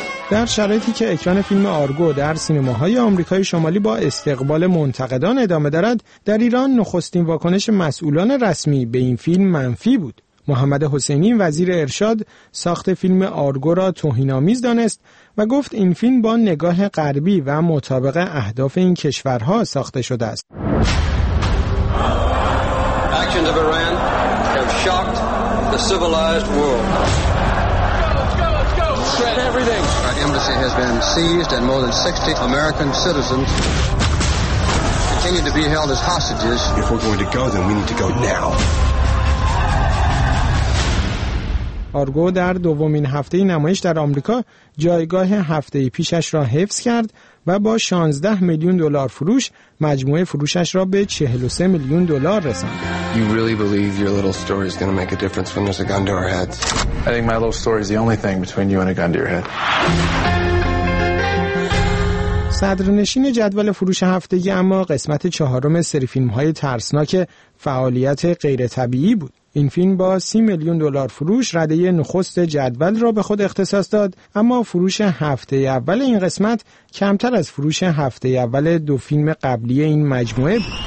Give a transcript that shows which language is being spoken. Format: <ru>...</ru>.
<fa>در شرایطی که اکران فیلم آرگو در سینماهای آمریکای شمالی با استقبال منتقدان ادامه دارد، در ایران نخستین واکنش مسئولان رسمی به این فیلم منفی بود. محمد حسینی وزیر ارشاد ساخت فیلم آرگو را توهین‌آمیز دانست و گفت این فیلم با نگاه غربی و مطابق اهداف این کشورها ساخته شده است.</fa> <en>Actions of Iran have shocked the civilized world. Everything. Our embassy has been seized and more than 60 American citizens continue to be held as hostages. If we're going to go, then we need to go now.</en> <fa>آرگو در دومین هفته نمایش در آمریکا جایگاه هفته پیشش را حفظ کرد و با 16 میلیون دلار فروش مجموعه فروشش را به 43 میلیون دلار رساند.</fa> <en>You really believe your little story is going to make a difference when there's a gun to our heads? I think my little story is the only thing between you and a gun to your head.</en> <fa>صدرنشین جدول فروش هفتگی اما قسمت چهارم سری فیلم‌های ترسناک فعالیت غیرطبیعی بود. این فیلم با 30 میلیون دلار فروش رده نخست جدول را به خود اختصاص داد، اما فروش هفته اول این قسمت کمتر از فروش هفته اول دو فیلم قبلی این مجموعه بود.</fa>